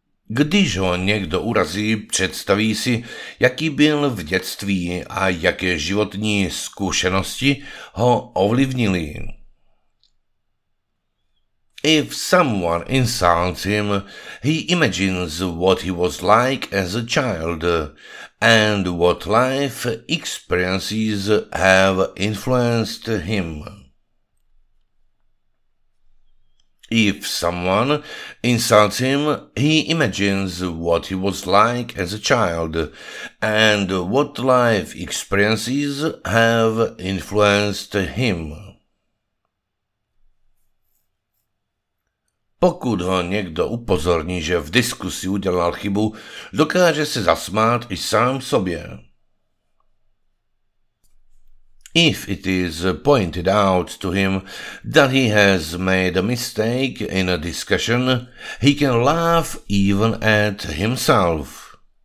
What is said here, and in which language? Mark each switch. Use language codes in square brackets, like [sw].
[cs] Když ho někdo urazí, představí si, jaký byl v dětství a jaké životní zkušenosti ho ovlivnily. [en] If someone insults him, he imagines what he was like as a child and what life experiences have influenced him. If someone insults him, he imagines what he was like as a child and what life experiences have influenced him. [cs] Pokud ho někdo upozorní, že v diskusi udělal chybu, dokáže se zasmát i sám sobě. [en] If it is pointed out to him that he has made a mistake in a discussion, he can laugh even at himself.